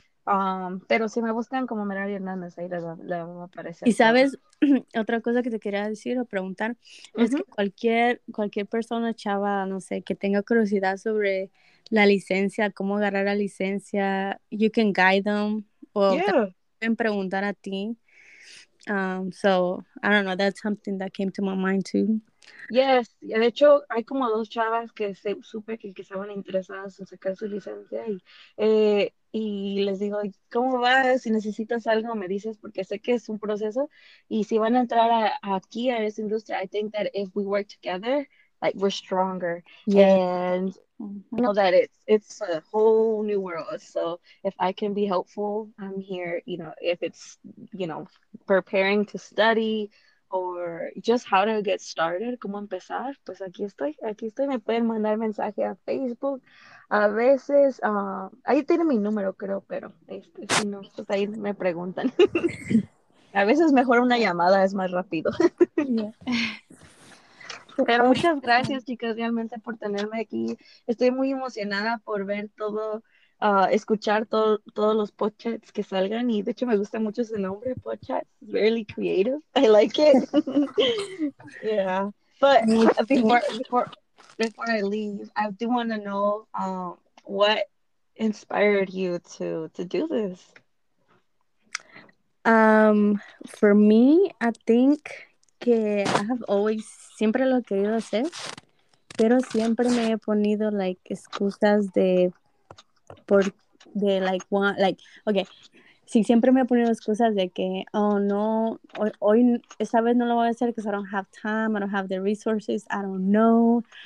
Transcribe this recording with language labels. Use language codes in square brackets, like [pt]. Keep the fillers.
[es] Um, pero si me buscan como Merari Hernández, ahí les va, les va a aparecer y todo. sabes otra cosa que te quería decir o preguntar es que Ujú. cualquier cualquier persona chava no sé que tenga curiosidad sobre la licencia cómo agarrar la licencia [en] you can guide them [es] o te [en] Yeah. [es] pueden preguntar a ti. Um, [en] so I don't know. That's something that came to my mind too. [es] Yes, y de hecho hay como dos chavas que se, supe que, que estaban interesadas en sacar su licencia y, eh, y les digo, ¿cómo vas? Si necesitas algo, me dices, porque sé que es un proceso y si van a entrar a- aquí a esa industria, [en] I think that if we work together, like we're stronger Yeah. and Ujú. I know that it's it's a whole new world. So if I can be helpful, I'm here. You know, if it's you know preparing to study or just how to get started, [es] cómo empezar, pues aquí estoy, aquí estoy. Me pueden mandar mensaje a Facebook. A veces, ah, ahí tiene mi número, creo, pero este, si no, pues ahí me preguntan. A veces mejor una llamada es más rápido. Yeah. Pero muchas gracias, chicas, realmente por tenerme aquí. Estoy muy emocionada por ver todo, ah, escuchar todo, todos los podcasts que salgan. Y de hecho, me gusta mucho ese nombre, podcast. [en] It's really creative. I like it. yeah. But before, before, before I leave, I do want to know um, what inspired you to, to do this. Um, for me, I think que I have always [es] siempre lo he querido hacer, pero siempre me he ponido [en] like excusas de por de like one like okay [es] Sí, siempre me he ponido excusas de que, oh no, hoy, hoy- esta vez no lo voy a hacer [en] because I don't have time, I don't have the resources, I don't know.